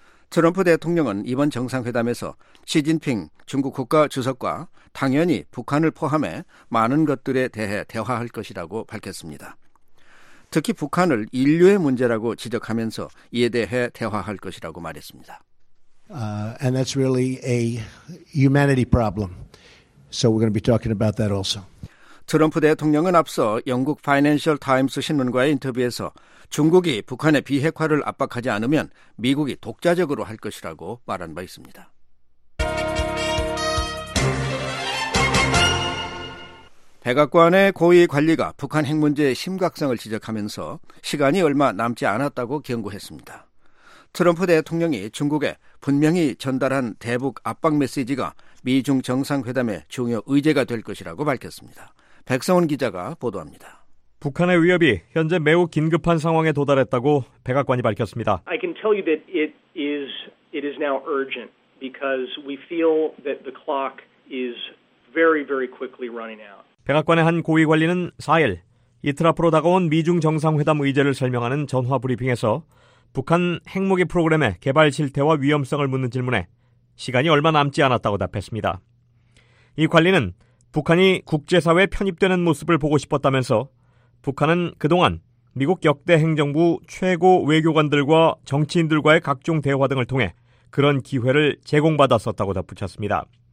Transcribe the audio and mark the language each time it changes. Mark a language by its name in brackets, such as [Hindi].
[Korean] 트럼프 대통령은 이번 정상회담에서 시진핑 중국 국가 주석과 당연히 북한을 포함해 많은 것들에 대해 대화할 것이라고 밝혔습니다. 특히 북한을 인류의 문제라고 지적하면서 이에 대해 대화할 것이라고 말했습니다. [English] And that's really a humanity problem. So we're going to be talking about that also. [Korean] 트럼프 대통령은 앞서 영국 파이낸셜 타임스 신문과의 인터뷰에서 중국이 북한의 비핵화를 압박하지 않으면 미국이 독자적으로 할 것이라고 말한 바 있습니다. 백악관의 고위 관리가 북한 핵 문제의 심각성을 지적하면서 시간이 얼마 남지 않았다고 경고했습니다. 트럼프 대통령이 중국에 분명히 전달한 대북 압박 메시지가 미중 정상회담의 중요 의제가 될 것이라고 밝혔습니다. 백성훈 기자가 보도합니다. 북한의 위협이 현재 매우 긴급한 상황에 도달했다고 백악관이 밝혔습니다. [English] I can tell you that it is now urgent because we feel that the clock is very very quickly running out. [Korean] 백악관의 한 고위 관리는 4일 이틀 앞으로 다가온 미중 정상회담 의제를 설명하는 전화 브리핑에서 북한 핵무기 프로그램의 개발 실태와 위험성을 묻는 질문에 시간이 얼마 남지 않았다고 답했습니다. 이 관리는 북한이 국제사회에 편입되는 모습을 보고 싶었다면서 북한은 그동안 미국 역대 행정부 최고 외교관들과 정치인들과의 각종 대화 등을 통해 그런 기회를 제공받았었다고 덧붙였습니다.